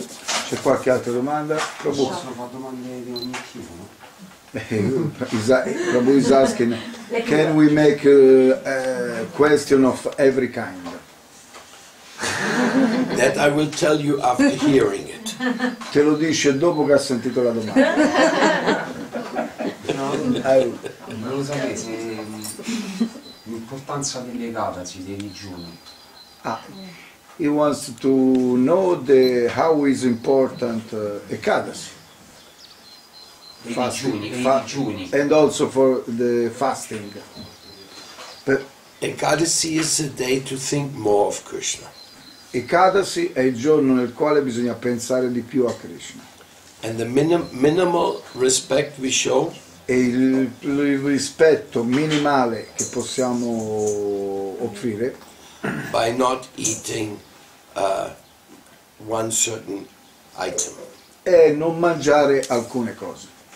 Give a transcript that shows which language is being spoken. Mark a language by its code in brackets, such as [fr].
[it] C'è qualche altra domanda? Prabhu. Ci sono domande di ogni tipo, no? [en] Prabhu is asking, can we make a question of every kind? That I will tell you after hearing it. [it] Te lo dice dopo che ha sentito la domanda. No, non lo sapete, l'importanza delle Ekadasi, dei digiuni. [en] Ah, he wants to know the how is important Ekadasi. Fasting, and also for the fasting. But Ekadasi is a day to think more of Krishna. [it] Ekadasi è il giorno nel quale bisogna pensare di più a Krishna. [en] And the minimal respect we show. [it] E il rispetto minimale che possiamo offrire. [en] By not eating one certain item. [it] E non mangiare alcune cose.